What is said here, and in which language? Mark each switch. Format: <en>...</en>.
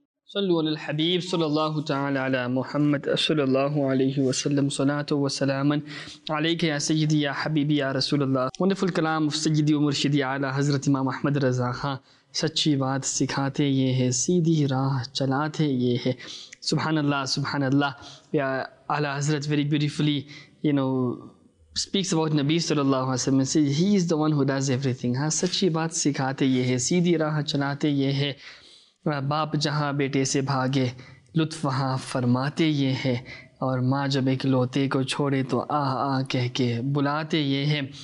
<ar>صلوا على الحبيب صلى الله تعالى على محمد صلى الله عليه وسلم صلاة وسلام عليك يا سيدي يا حبيبي يا رسول الله.</ar> <en>wonderful كلام of سيدي ومرشدي على حضرت امام احمد رضا خان.</en> <ur>سچی بات سکھاتے یہ ہے, سیدھی راہ چلاتے یہ ہے. سبحان اللہ سبحان اللہ.</ur> <en>يا اعلی حضرت very beautifully you know speaks about Nabi sallallahu alaihi wasallam and says he is the one who does everything.</en> <ur>ہاں سچی بات سکھاتے یہ ہے, سیدھی راہ چلاتے یہ ہے. باپ جہاں بیٹے سے بھاگے لطف وہاں فرماتے یہ ہے, اور ماں جب ایک لوتے کو چھوڑے تو آہ آہ کہہ کے بلاتے یہ ہے.</ur>